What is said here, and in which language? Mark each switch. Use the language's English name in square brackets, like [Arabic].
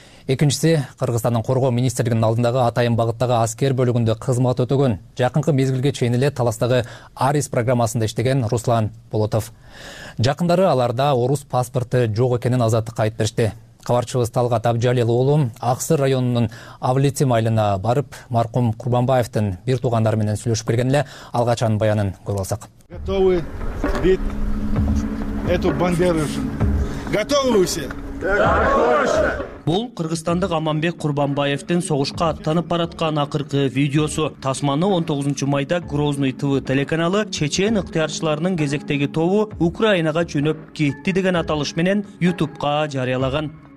[Kyrgyz] Экинчиси Кыргызстандын коргоо министрлигинин алдындагы атайын багыттагы аскер бөлүгүндө кызмат өтөгөн, жакынкы мезгилге чейин эле Таластагы Арис программасында иштеген Руслан Болотов. Жакындары аларда орус паспорту жок экенин Азаттыкка айтып беришти. Кабарчыбыз Талгат Абжалил уулу Аксыр районунун Авлетим айылына барып, маркум Курбанбаевдин бир туугандары менен сүйлөшүп келген эле алгач анын баянын көрүп алсак. [Russian] Готовы бить эту бандеру. Готовы все? [Kyrgyz] Бул кыргызстандык Аманбек Курбанбаевдин согушка аттанып бараткан акыркы видеосу. Тасманы 19 майда Грозный ТВ телеканалы чечен ыктыярчыларынын кезектеги тобу Украинага жөнөп кетти деген аталыш менен YouTube'ка жарыялаган.